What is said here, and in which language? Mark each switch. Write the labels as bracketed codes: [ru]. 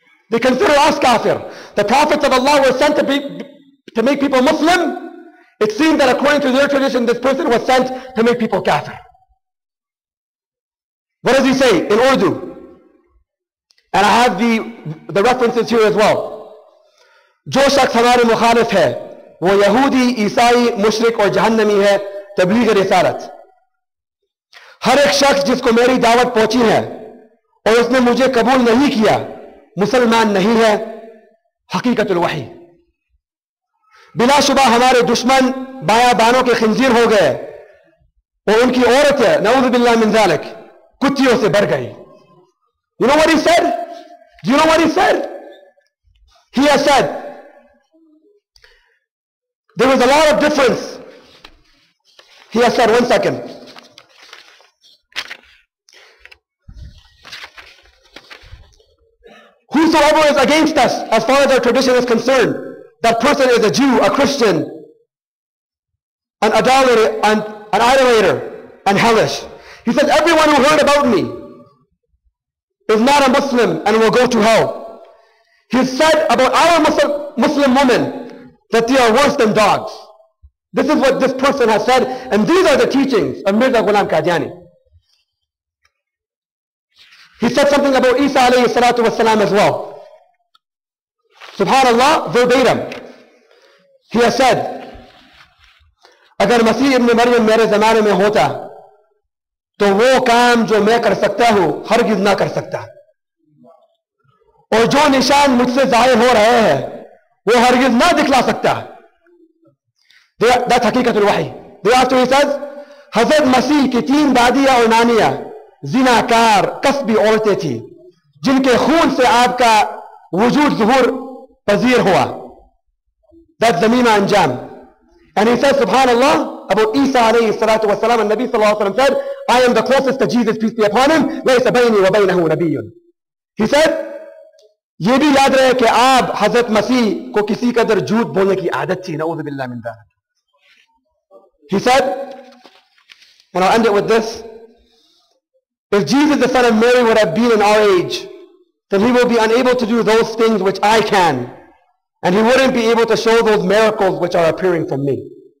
[en] They consider us kafir. The prophets of Allah were sent to make people Muslim. It seems that according to their tradition, this person was sent to make people kafir. What does he say in Urdu? And I have the references here as well. [ur] جو شخص ہمارے مخالف ہے وہ یہودی عیسائی مشرک اور جہنمی ہے تبلیغ رسالت ہر ایک شخص جس کو میری دعوت پہنچی ہے اور اس نے مجھے قبول نہیں کیا مسلمان نہیں ہے حقیقت الوحی. بلا شبہ ہمارے دشمن بایا بانوں کے خنزیر ہو گئے اور ان کی عورت ہے [ar] نعوذ باللہ من ذالک [ur] کتیوں سے بھر گئی. [en] You know what he said? Do you know what he said? He has said, there was a lot of difference. He has said, one second. Whosoever is against us, as far as our tradition is concerned, that person is a Jew, a Christian, an idolater, an idolater, and hellish. He says, everyone who heard about me is not a Muslim and will go to hell. He said about our Muslim women that they are worse than dogs. This is what this person has said, and these are the teachings of Mirza Ghulam Qadiani. He said something about Isa alayhi salatu wasalam as well. Subhanallah, verbatim. He has said, [ur] agar Masih ibn Maryam mere zamane mein hota, تو وہ کام جو میں کر سکتا ہوں ہرگز نہ کر سکتا اور جو نشان مجھ سے ظاہر ہو رہے ہیں وہ ہرگز نہ دکھلا سکتا. [en] That's [ur] حقیقت الوحی. [en] The after he says, [ur] حضرت مسیح کی تین دادیاں اور نانیاں زناکار قصبی عورتیں تھی جن کے خون سے آپ کا وجود ظہور پذیر ہوا. [en] That's ذمیمہ انجام. And he says, subhanallah, about Isa alayhi salatu wasalam, and Nabi sallallahu alayhi wa sallam said, I am the closest to Jesus, peace be upon him. [ar] لَيْسَ بَيْنِي وَبَيْنَهُ نَبِيٌّ. [en] He said, [ur] یہ بھی یاد رہے کہ آپ حضرت مسیح کو کسی قدر جھوٹ بولنے کی عادت تھی. [ar] نعوذ باللہ من ذلك. [en] He said, and I'll end it with this, if Jesus the son of Mary would have been in our age, then he will be unable to do those things which I can, and he wouldn't be able to show those miracles which are appearing from me.